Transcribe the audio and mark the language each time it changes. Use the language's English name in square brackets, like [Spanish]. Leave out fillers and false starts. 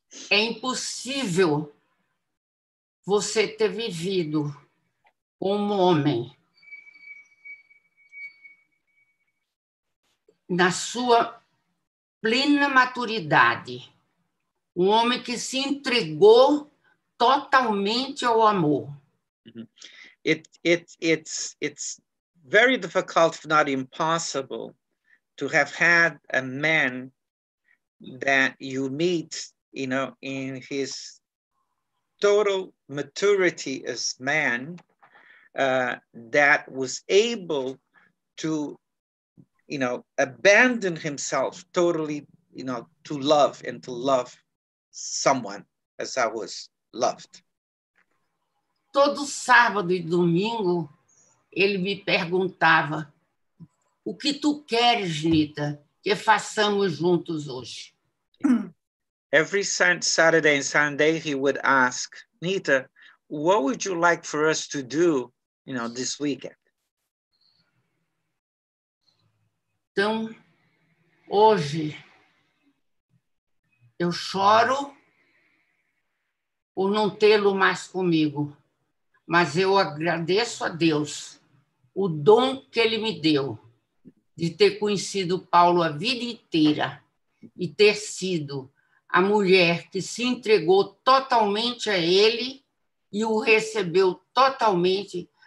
[Portuguese] É impossível você ter vivido como homem na sua plena maturidade, um homem que se entregou totalmente ao amor. [English] It's very difficult, if not impossible, to have had a man that you meet, you know, in his total maturity as man, that was able to, you know, abandon himself totally, you know, to love and to love someone as I was loved. [Portuguese] Todo sábado e domingo, ele me perguntava, o que tu queres, Nita, que façamos juntos hoje? [English] Every Saturday and Sunday, he would ask, Nita, what would you like for us to do, you know, this weekend? [Portuguese] Então, hoje, eu choro por não tê-lo mais comigo, mas eu agradeço a Deus o dom que ele me deu de ter conhecido Paulo a vida inteira e ter sido a mulher que se entregou totalmente a ele e o recebeu totalmente